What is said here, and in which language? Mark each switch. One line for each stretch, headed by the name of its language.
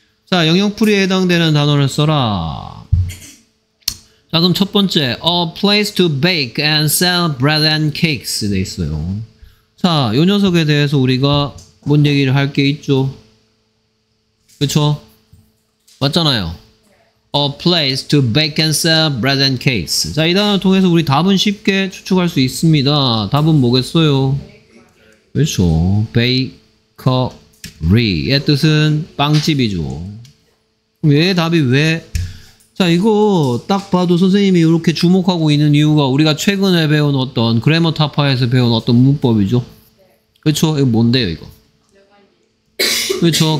Korean: 자, 영역풀이에 해당되는 단어를 써라. 자, 그럼 첫 번째,
English: a place to bake and sell bread and cakes
Korean: 돼 있어요. 자, 요 녀석에 대해서 우리가 뭔 얘기를 할 게 있죠? 그쵸? 맞잖아요.
English: a place to bake and sell bread and cakes.
Korean: 자, 이 단어를 통해서 우리 답은 쉽게 추측할 수 있습니다. 답은 뭐겠어요? 그쵸? bakery의 뜻은 빵집이죠. 그럼 얘의 답이 왜? 자, 이거 딱 봐도 선생님이 이렇게 주목하고 있는 이유가 우리가 최근에 배운 어떤 그래머 타파에서 배운 어떤 문법이죠. 그렇죠? 이거 뭔데요, 이거? 그렇죠?